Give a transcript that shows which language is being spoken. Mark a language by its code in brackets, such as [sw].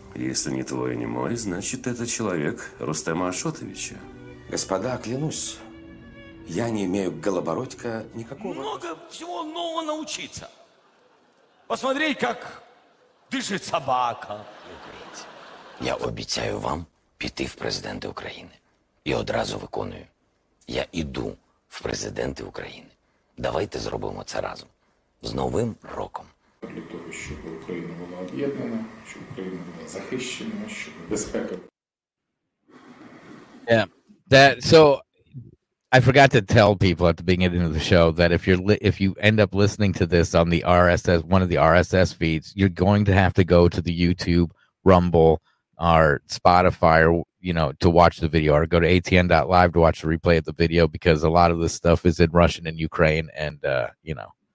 [ru] Если не твой, не мой, значит, это человек Рустема Ашотовича. Господа, клянусь, я не имею к Голобородько никакого... Много всего нового научиться. Посмотреть, как дышит собака. Я обещаю вам [uk] піти в президенти України. І одразу виконую. Я іду в президенти України. Давайте зробимо це разом. З Новим роком. Для того, щоб Україна була об'єднана, щоб Україна була захищена, щоб безпека. [en] Yeah, that, so... I forgot to tell people at the beginning of the show that if you end up listening to this on the RSS, one of the RSS feeds, you're going to have to go to the YouTube, Rumble, or Spotify, or, you know, to watch the video, or go to ATN.live to watch the replay of the video, because a lot of this stuff is in Russian and Ukraine, and, you know.